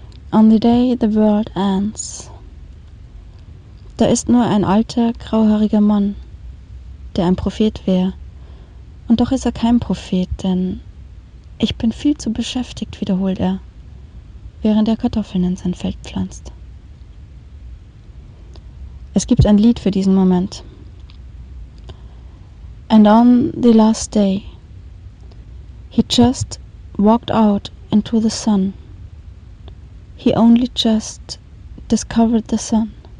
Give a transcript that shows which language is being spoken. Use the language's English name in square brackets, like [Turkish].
[English] On the day the world ends. [German] Da ist nur ein alter, grauhaariger Mann, der ein Prophet wäre. Und doch ist er kein Prophet, denn ich bin viel zu beschäftigt, wiederholt er, während er Kartoffeln in sein Feld pflanzt. Es gibt ein Lied für diesen Moment. [English] And on the last day, he just walked out into the sun. He only just discovered the sun.